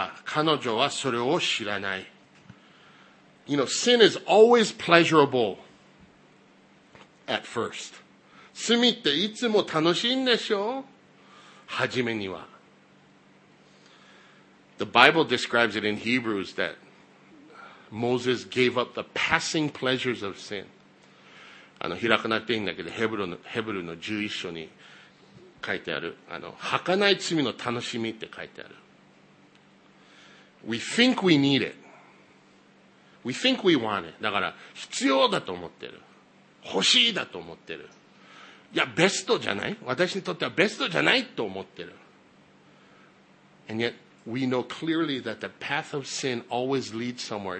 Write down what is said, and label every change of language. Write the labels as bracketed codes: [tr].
[ja] その足は死に下り、歩みは黄泉に通じている。その女は命の道に心を配らず、その道筋は確かでないが、彼女はそれを知らない。 [en] You know, sin is always pleasurable at first. [ja] 罪っていつも楽しいんでしょ?初めには。 [en] The Bible describes it in Hebrews that Moses gave up the passing pleasures of sin. [ja] ヘブルの11章に書いてある、儚い罪の楽しみって書いてある。 [en] We think we need it. We think we want it. [ja] だから必要だと思ってる。欲しいだと思ってる。いや、ベストじゃない?私にとってはベストじゃないと思ってる。 [en] And yet, we know clearly that the path of sin always leads somewhere.